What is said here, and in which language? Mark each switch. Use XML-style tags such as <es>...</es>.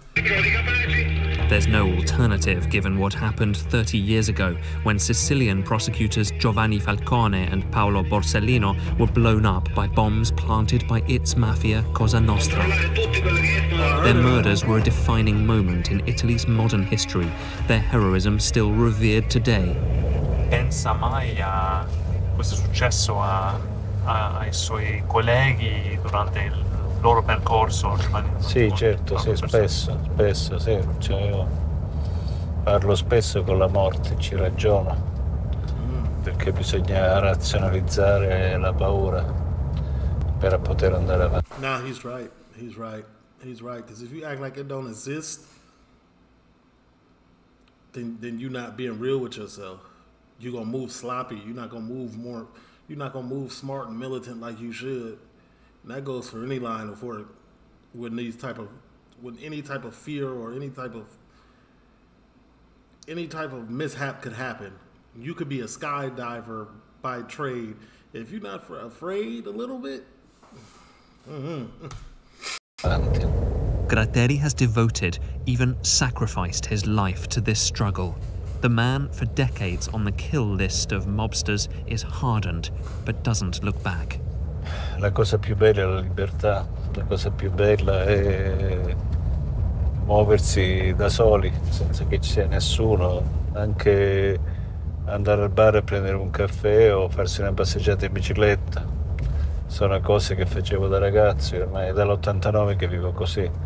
<en>There's no alternative given what happened 30 years ago when Sicilian prosecutors Giovanni Falcone and Paolo Borsellino were blown up by bombs planted by its mafia Cosa Nostra. Their murders were a defining moment in Italy's modern history, their heroism still revered today.</en> <it>Pensa mai a questo successo a ai suoi colleghi durante il loro percorso. Sì, certo, sì, spesso, sì. Cioè io parlo spesso con la morte, ci ragiono, perché bisogna razionalizzare la paura per poter andare avanti.</it> <en>No, he's right, he's right, he's right. Because if you act like it don't exist, then you're not being real with yourself. You're gonna move sloppy. You're not gonna move more. You're not gonna move smart and militant like you should. And that goes for any line of work, when any type of fear or any type of mishap could happen. You could be a skydiver by trade. If you're not afraid a little bit. Gratteri has devoted, even sacrificed his life to this struggle. The man for decades on the kill list of mobsters is hardened, but doesn't look back.</en> <it>La cosa più bella è la libertà, la cosa più bella è muoversi da soli, senza che ci sia nessuno, anche andare al bar a prendere un caffè o farsi una passeggiata in bicicletta. Sono cose che facevo da ragazzo, ormai è dall'89 che vivo così.</it>